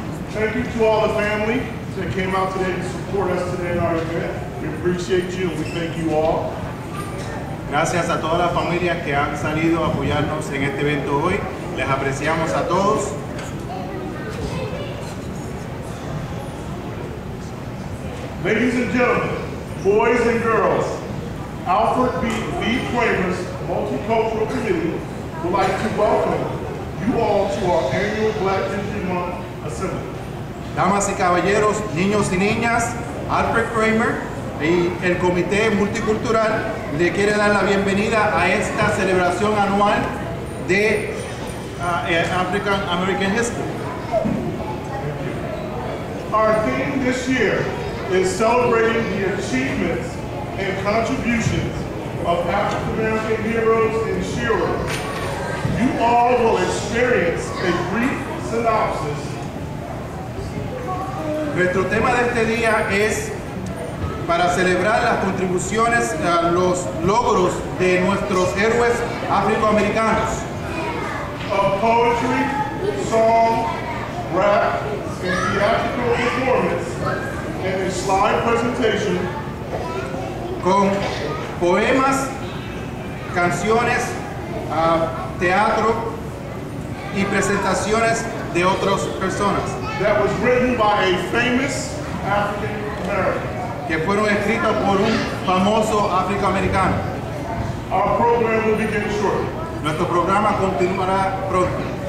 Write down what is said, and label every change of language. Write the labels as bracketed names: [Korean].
[English] Thank you to all the family that came out today to support us today in our event. We appreciate you. We thank you all. [Spanish] Gracias a toda la familia que han salido a apoyarnos en este evento hoy. Les apreciamos a todos. [English] Ladies and gentlemen, boys and girls, Alfred B. Cramer's Multicultural Committee would like to welcome you all to our annual Black History Month Assembly. [Spanish] Damas y caballeros, niños y niñas, Alfred Cramer y el Comité Multicultural le quiere dar la bienvenida a esta celebración anual de African American History. [English] Our theme this year is celebrating the achievements and contributions of African-American heroes and sharers. You all will experience a brief synopsis. [Spanish] Nuestro tema de este día es para celebrar las contribuciones, los logros de nuestros héroes afroamericanos. [English] Of poetry, song, rap, and theatrical performance. And a slide presentation [Spanish] con poemas, canciones, teatro y presentaciones de otras personas [English] that was written by a famous African-American [Spanish] que fueron escritos por un famoso afroamericano. [English] Our program will begin shortly. [Spanish] Nuestro programa continuará pronto.